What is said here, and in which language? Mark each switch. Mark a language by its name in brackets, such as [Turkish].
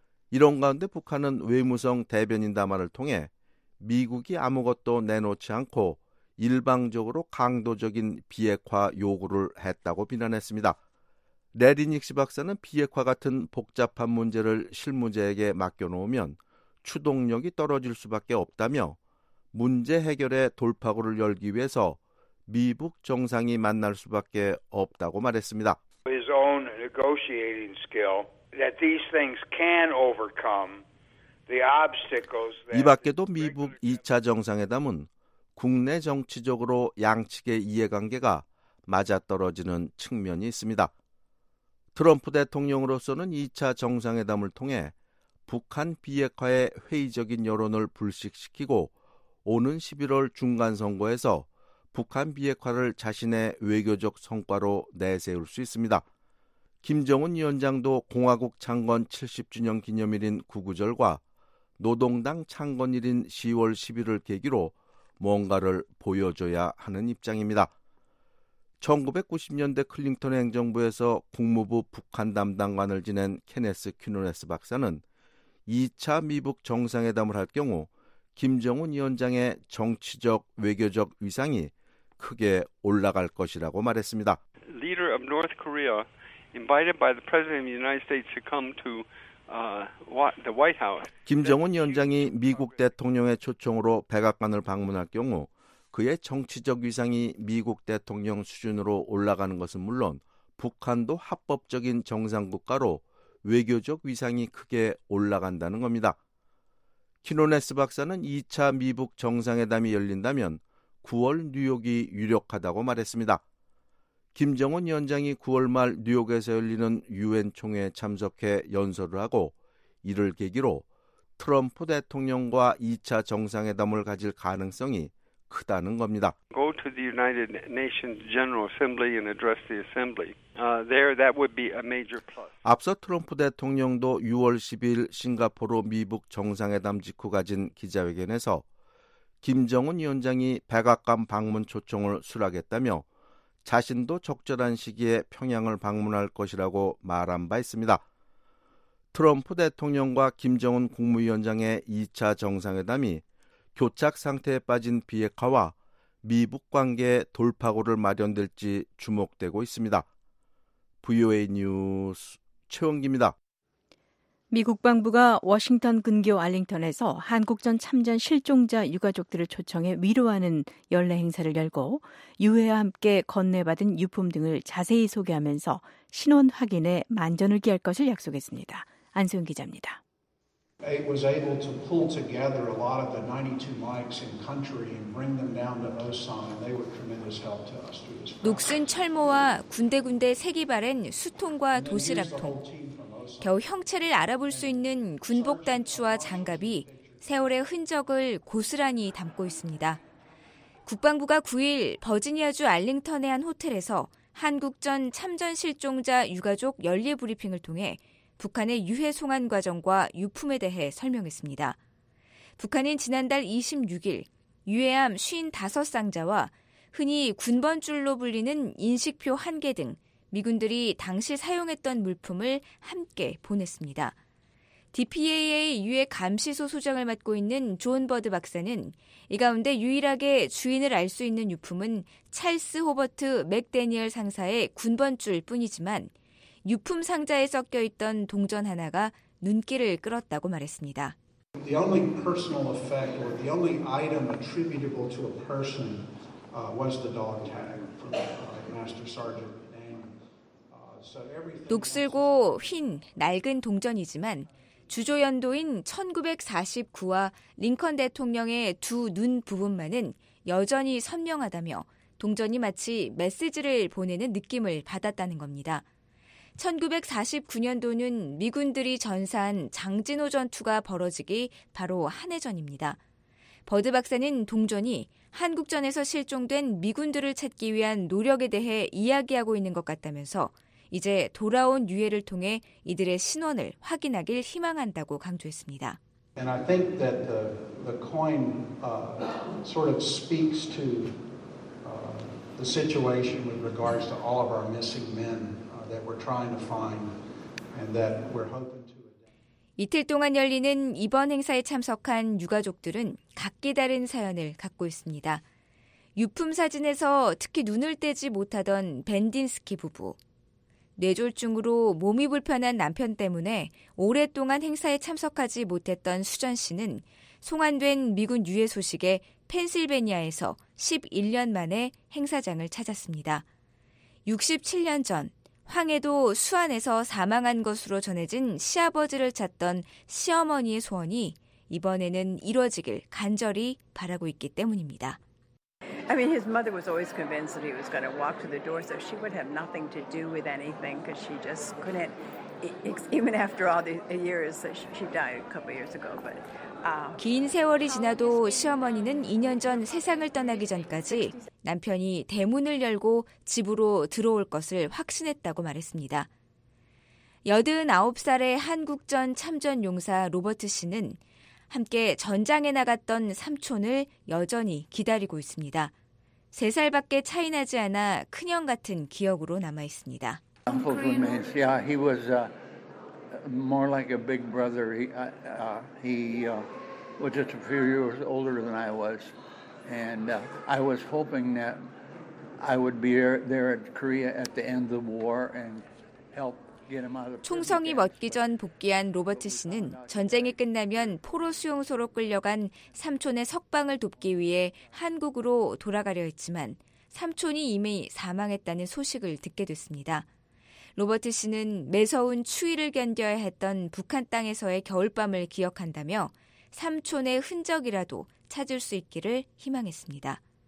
[Korean] 이런 가운데 북한은 외무성 대변인 담화를 통해 미국이 아무것도 내놓지 않고 일방적으로 강도적인 비핵화 요구를 했다고 비난했습니다. 래리 닉시 박사는 비핵화 같은 복잡한 문제를 실무자에게 맡겨놓으면 추동력이 떨어질 수밖에 없다며 문제 해결의 돌파구를 열기 위해서 미북 정상이 만날 수밖에 없다고 말했습니다. [English] His own negotiating skill that these things can overcome the obstacles that [Korean] 이 밖에도 미북 2차 정상회담은 국내 정치적으로 양측의 이해관계가 맞아떨어지는 측면이 있습니다. 트럼프 대통령으로서는 2차 정상회담을 통해 북한 비핵화의 회의적인 여론을 불식시키고 오는 11월 중간선거에서 북한 비핵화를 자신의 외교적 성과로 내세울 수 있습니다. 김정은 위원장도 공화국 창건 70주년 기념일인 99절과 노동당 창건일인 10월 11일을 계기로 뭔가를 보여줘야 하는 입장입니다. 1990년대 클린턴 행정부에서 국무부 북한 담당관을 지낸 케네스 퀴노네스 박사는 2차 미북 정상회담을 할 경우 김정은 위원장의 정치적 외교적 위상이 크게 올라갈 것이라고 말했습니다. [English] Leader of North Korea invited by the President of the United States to come to the White House. [Korean] 김정은 위원장이 미국 대통령의 초청으로 백악관을 방문할 경우 그의 정치적 위상이 미국 대통령 수준으로 올라가는 것은 물론 북한도 합법적인 정상 국가로 외교적 위상이 크게 올라간다는 겁니다. 키노네스 박사는 2차 미북 정상회담이 열린다면 9월 뉴욕이 유력하다고 말했습니다. 김정은 위원장이 9월 말 뉴욕에서 열리는 유엔 총회에 참석해 연설을 하고 이를 계기로 트럼프 대통령과 2차 정상회담을 가질 가능성이 크다는 겁니다. [English] Go to the United Nations General Assembly and address the assembly. There, that would be a major plus. [Korean] 앞서 트럼프 대통령도 6월 12일 싱가포르 미북 정상회담 직후 가진 기자회견에서 김정은 위원장이 백악관 방문 초청을 수락했다며 자신도 적절한 시기에 평양을 방문할 것이라고 말한 바 있습니다. 트럼프 대통령과 김정은 국무위원장의 2차 정상회담이 교착 상태에 빠진 비핵화와 미북 관계의 돌파구를 마련될지 주목되고 있습니다. VOA 뉴스 최원기입니다. 미 국방부가 워싱턴 근교 알링턴에서 한국전 참전 실종자 유가족들을 초청해 위로하는 연례 행사를 열고 유해와 함께 건네받은 유품 등을 자세히 소개하면서 신원 확인에 만전을 기할 것을 약속했습니다. 안소영 기자입니다. [English] It was able to pull together a lot of the 92 mics in country and bring them down to Osan, and they were tremendous help to us. [Korean] 녹슨 철모와 군데군데 색이 바랜 수통과 도시락통, 겨우 형체를 알아볼 수 있는 군복 단추와 장갑이 세월의 흔적을 고스란히 담고 있습니다. 국방부가 9일 버지니아주 알링턴의 한 호텔에서 한국전 참전 실종자 유가족 연례 브리핑을 통해 북한의 유해 송환 과정과 유품에 대해 설명했습니다. 북한은 지난달 26일 유해함 55상자와 흔히 군번줄로 불리는 인식표 1개 등 미군들이 당시 사용했던 물품을 함께 보냈습니다. DPAA 유해 감시소 소장을 맡고 있는 존 버드 박사는 이 가운데 유일하게 주인을 알 수 있는 유품은 찰스 호버트 맥데니얼 상사의 군번줄 뿐이지만 유품 상자에 섞여 있던 동전 하나가 눈길을 끌었다고 말했습니다. [English] The only personal effect or the only item attributable to a person was the dog tag from Master Sergeant. [Korean] 녹슬고 흰 낡은 동전이지만 주조 연도인 1949와 링컨 대통령의 두 눈 부분만은 여전히 선명하다며 동전이 마치 메시지를 보내는 느낌을 받았다는 겁니다. 1949년도는 미군들이 전사한 장진호 전투가 벌어지기 바로 한 해 전입니다. 버드 박사는 동전이 한국전에서 실종된 미군들을 찾기 위한 노력에 대해 이야기하고 있는 것 같다면서 이제 돌아온 유해를 통해 이들의 신원을 확인하길 희망한다고 강조했습니다. [English] And I think that the coin sort of speaks to the situation with regards to all of our missing men that we're trying to find and that we're hoping to. [Korean] 이틀 동안 열리는 이번 행사에 참석한 유가족들은 각기 다른 사연을 갖고 있습니다. 유품 사진에서 특히 눈을 떼지 못하던 벤딘스키 부부, 뇌졸중으로 몸이 불편한 남편 때문에 오랫동안 행사에 참석하지 못했던 수전 씨는 송환된 미군 유해 소식에 펜실베니아에서 11년 만에 행사장을 찾았습니다. 67년 전 황해도 수안에서 사망한 것으로 전해진 시아버지를 찾던 시어머니의 소원이 이번에는 이루어지길 간절히 바라고 있기 때문입니다. [English] I mean, his mother was always convinced that he was going to walk to the door, so she would have nothing to do with anything because she just couldn't, even after all the years, she died a couple years ago. But [Korean] 긴 세월이 지나도 시어머니는 2년 전 세상을 떠나기 전까지 남편이 대문을 열고 집으로 들어올 것을 확신했다고 말했습니다. 89살의 한국전 참전 용사 로버트 씨는 함께 전장에 나갔던 삼촌을 여전히 기다리고 있습니다. 세 살밖에 차이 나지 않아 큰형 같은 기억으로 남아 있습니다. [English] Yeah, he was more like a big brother. He was just a few years older than I was. And I was hoping that I would be there at Korea at the end of the war and help. [Korean] 총성이 멎기 전 복귀한 로버트 씨는 전쟁이 끝나면 포로 수용소로 끌려간 삼촌의 석방을 돕기 위해 한국으로 돌아가려 했지만 삼촌이 이미 사망했다는 소식을 듣게 됐습니다. 로버트 씨는 매서운 추위를 견뎌야 했던 북한 땅에서의 겨울밤을 기억한다며 삼촌의 흔적이라도 찾을 수 있기를 희망했습니다.